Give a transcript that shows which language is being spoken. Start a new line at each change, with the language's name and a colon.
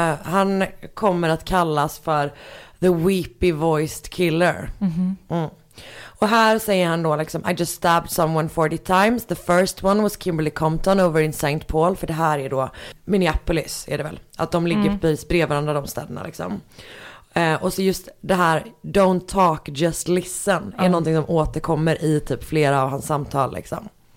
Swedish: Han kommer att kallas för the weepy voiced killer. Och här säger han då liksom,
English: I just stabbed someone 40 times. The first one was Kimberly Compton over in St. Paul.
Swedish: För det här är då Minneapolis, är det väl. Att de ligger precis bredvid varandra, de städerna liksom. Och så just det här,
English: don't talk, just listen.
Swedish: Är någonting som återkommer i typ flera av hans samtal liksom.